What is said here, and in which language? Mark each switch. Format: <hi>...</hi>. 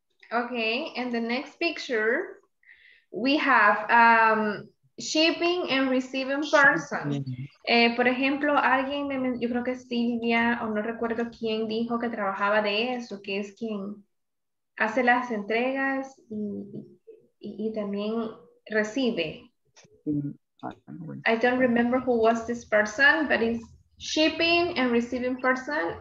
<en>Okay, and the next picture, we have shipping and receiving person.</en> <es>Por ejemplo, alguien, yo creo que Silvia, o no recuerdo quién dijo que trabajaba de eso, que es quien hace las entregas y también recibe.</es> <en>I don't remember who was this person, but it's shipping and receiving person.</en>